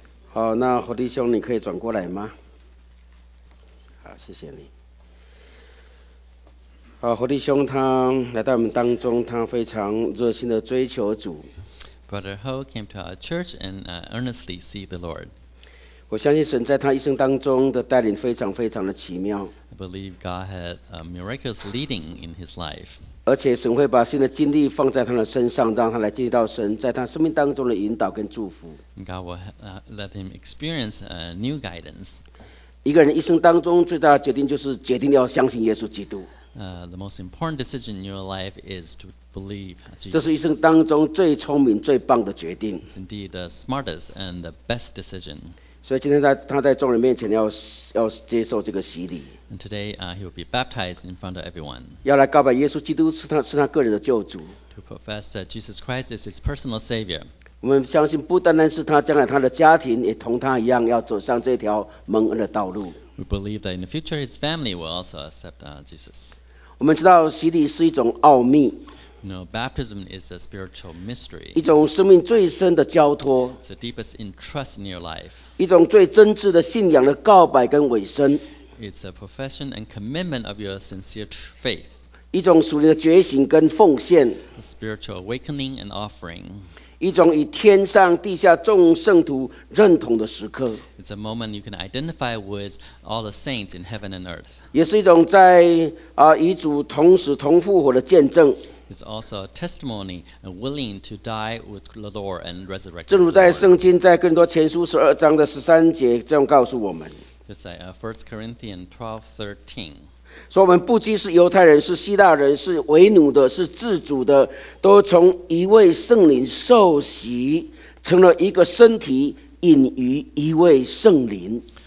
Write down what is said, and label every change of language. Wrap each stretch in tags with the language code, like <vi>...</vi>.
<zh>好，那侯弟兄，你可以转过来吗？好，谢谢你。好，侯弟兄他来到我们当中，他非常热心的追求主。</zh> <en>Brother Ho came to our church and earnestly seek the Lord.</en> <zh>我相信神在他一生当中的带领非常非常的奇妙。</zh> <en>I believe God had a miraculous leading in his life.</en> <zh>而且神会把新的精力放在他的身上，让他来经历到神在他生命当中的引导跟祝福。</zh> <en>God will let him experience a new guidance.</en> <zh>一个人一生当中最大的决定就是决定要相信耶稣基督。</zh> <en>The most important decision in your life is to believe.</en> <zh>这是一生当中最聪明、最棒的决定。</zh> <en>It's indeed the smartest and the best decision.</en> <zh>所以今天他在众人面前要接受这个洗礼。</zh> <en>And today, he will be baptized in front of everyone.</en> <zh>要来告白耶稣基督是他个人的救主。</zh> <en>To profess that Jesus Christ is his personal savior.</en> <zh>我们相信不单单是他，将来他的家庭也同他一样要走上这条蒙恩的道路。</zh> <en>We believe that in the future his family will also accept Jesus.</en> <zh>我们知道洗礼是一种奥秘。</zh> <en>No, baptism is a spiritual mystery.</en> <zh>一种生命最深的交托。</zh> <en>It's the deepest entrust in your life.</en> <zh>一种最真挚的信仰的告白跟委身。</zh> <en>It's a profession and commitment of your sincere faith.</en> <zh>一种属灵的觉醒跟奉献。</zh> <en>A spiritual awakening and offering.</en> <zh>一种与天上地下众圣徒认同的时刻。</zh> <en>It's a moment you can identify with all the saints in heaven and earth.</en> <zh>也是一种在与主同死同复活的见证。</zh> <en>It's also a testimony and willing to die with the Lord and resurrect.</en> <zh>正如在圣经在更多前书十二章的十三节这样告诉我们。</zh> <en>Just like 1 Corinthians 12:13.</en> <zh>所以我们不仅是犹太人，是希腊人，是为奴的，是自主的，都从一位圣灵受洗，成了一个身体，隐于一位圣灵。</zh>